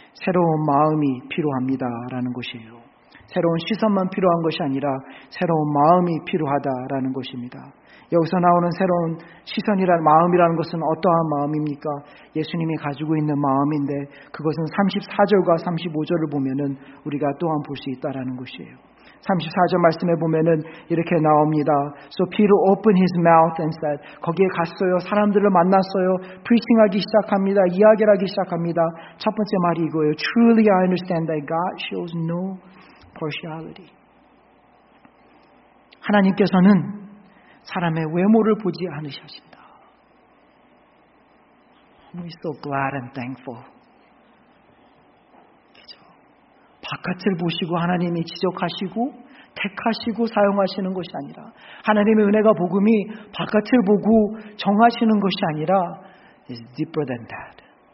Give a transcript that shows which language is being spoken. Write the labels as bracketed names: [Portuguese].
[Korean] 새로운 마음이 필요합니다라는 것이에요. 새로운 시선만 필요한 것이 아니라 새로운 마음이 필요하다라는 것입니다. 여기서 나오는 새로운 시선이란 마음이라는 것은 어떠한 마음입니까? 예수님이 가지고 있는 마음인데 그것은 34절과 35절을 보면은 우리가 또한 볼 수 있다라는 것이에요. 34절 말씀에 보면은 이렇게 나옵니다. [English] So Peter opened his mouth and said, [Korean] 거기에 갔어요. 사람들을 만났어요. Preaching하기 시작합니다. 이야기를 하기 시작합니다. 첫 번째 말이 이거예요. [English] Truly I understand that God shows no partiality. [Korean] 하나님께서는 사람의 외모를 보지 않으셨습니다. [English] We're so glad and thankful. [Korean] 바깥을 보시고 하나님이 지적하시고 택하시고 사용하시는 것이 아니라 하나님의 은혜가 복음이 바깥을 보고 정하시는 것이 아니라 [English] is deeper than that.